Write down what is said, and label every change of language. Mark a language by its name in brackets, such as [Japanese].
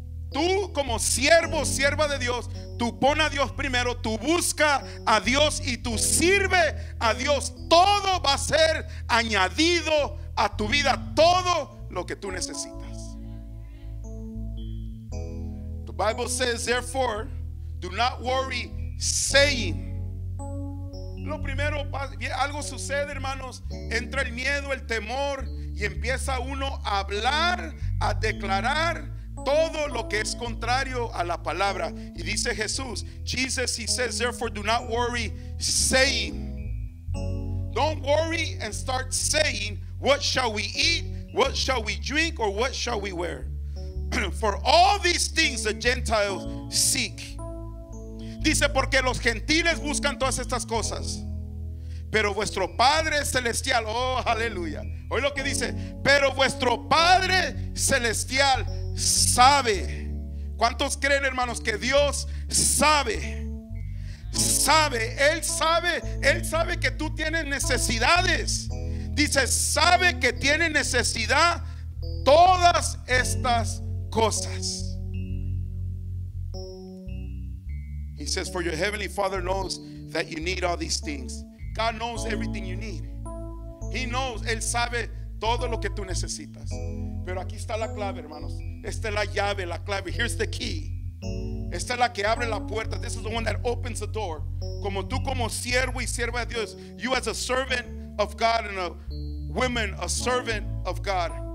[Spanish] Tú como siervo, sierva de Dios, tú pon a Dios primero, tú busca a Dios y tú sirve a Dios. Todo va a ser añadido a tu vida, todo lo que tú necesitas. [English] The Bible says, therefore, do not worry, saying. [Spanish] Lo primero, algo sucede, hermanos, entra el miedo, el temor, y empieza uno a hablar, a declarar todo lo que es contrario a la palabra. Y dice Jesús, [English] Jesus, he says, therefore do not worry saying. Don't worry and start saying, what shall we eat, what shall we drink, or what shall we wear? For all these things the Gentiles seek. [Spanish] Dice, porque los gentiles buscan todas estas cosas, pero vuestro Padre celestial, oh, aleluya. Oye lo que dice, pero vuestro Padre celestial sabe. ¿Cuántos creen, hermanos, que Dios sabe? Sabe, Él sabe. Él sabe que tú tienes necesidades. Dice, sabe que tiene necesidad todas estas cosas. [English] He says, for your heavenly Father knows that you need all these things. God knows everything you need. He knows, [Spanish] Él sabe todo lo que tú necesitas. Pero aquí está la clave, hermanos. Esta es la llave, la clave. [English] Here's the key. [Spanish] Esta es la que abre la puerta. [English] This is the one that opens the door. [Spanish] Como tú, como siervo y sierva de Dios. [English] You as a servant of God and a woman, a servant of God.